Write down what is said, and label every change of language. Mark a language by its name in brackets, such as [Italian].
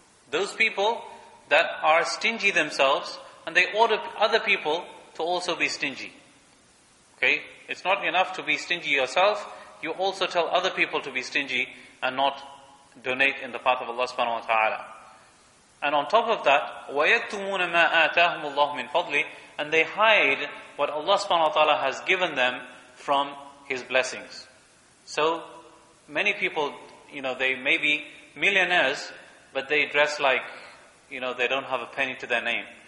[English] Those people that are stingy themselves, and they order other people to also be stingy. Okay? It's not enough to be stingy yourself, you also tell other people to be stingy and not donate in the path of Allah subhanahu wa ta'ala. And on top of that, [Arabic] وَيَكْتُمُونَ مَا آتَاهُمُ اللَّهُ مِنْ فَضْلِ. [English] And they hide what Allah subhanahu wa ta'ala has given them from His blessings. So, many people, you know, they may be millionaires, but they dress like, you know, they don't have a penny to their name.